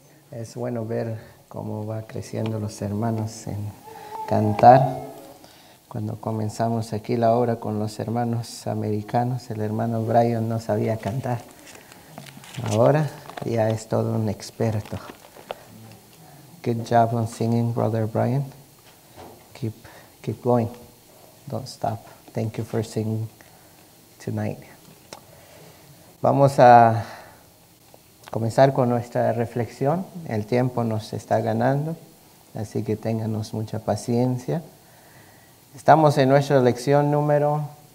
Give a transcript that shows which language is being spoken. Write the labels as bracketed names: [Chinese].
[Spanish] Es bueno ver cómo va creciendo los hermanos en cantar. Cuando comenzamos aquí la obra con los hermanos americanos, el hermano Brian no sabía cantar. Ahora ya es todo un experto. [English] Good job on singing, brother Brian. Keep going. Don't stop. Thank you for singing tonight. [Spanish] Vamos a comenzar con nuestra reflexión. El tiempo nos está ganando, así que ténganos mucha paciencia. Estamos en nuestra lección número...